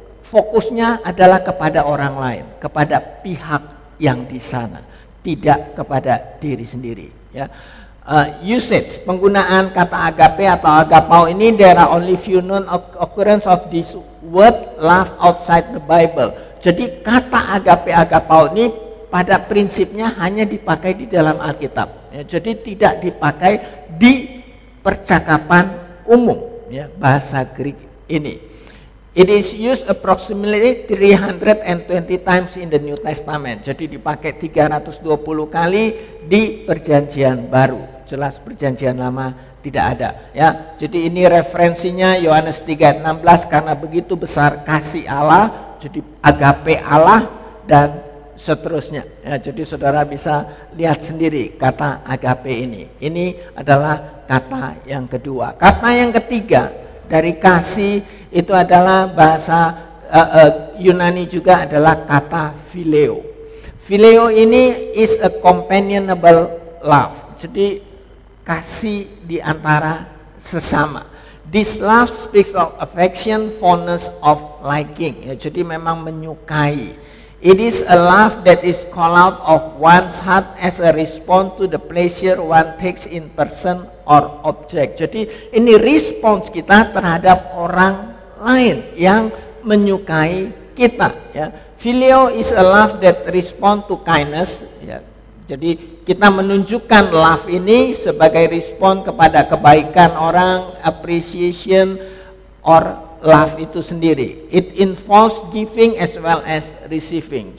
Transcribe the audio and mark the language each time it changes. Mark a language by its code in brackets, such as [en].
[id] Fokusnya adalah kepada orang lain, kepada pihak yang di sana, tidak kepada diri sendiri. Ya. [en] Usage, [id] penggunaan kata agape atau agapao ini, [en] there are only few known occurrence of this word love outside the Bible. [id] Jadi kata agape, agapao ini pada prinsipnya hanya dipakai di dalam Alkitab. Ya, jadi tidak dipakai di percakapan umum, ya, bahasa Greek ini. [en] It is used approximately 320 times in the New Testament. [id] Jadi dipakai 320 kali di Perjanjian Baru. Jelas Perjanjian Lama tidak ada, ya. Jadi ini referensinya Yohanes 3:16, karena begitu besar kasih Allah, jadi agape Allah dan seterusnya. Ya, jadi saudara bisa lihat sendiri kata agape ini. Ini adalah kata yang kedua. Kata yang ketiga dari kasih itu adalah bahasa Yunani juga adalah kata phileo. [en] Phileo ini is a companionable love. [id] Jadi kasih di antara sesama. [en] This love speaks of affection, fondness of liking. [id] Ya, jadi memang menyukai. [en] It is a love that is called out of one's heart as a response to the pleasure one takes in person or object. [id] Jadi ini respons kita terhadap orang lain yang menyukai kita. Ya. [en] Filio is a love that respond to kindness. [id] Ya. Jadi kita menunjukkan love ini sebagai respon kepada kebaikan orang, [en] appreciation or love [id] itu sendiri. [en] It involves giving as well as receiving.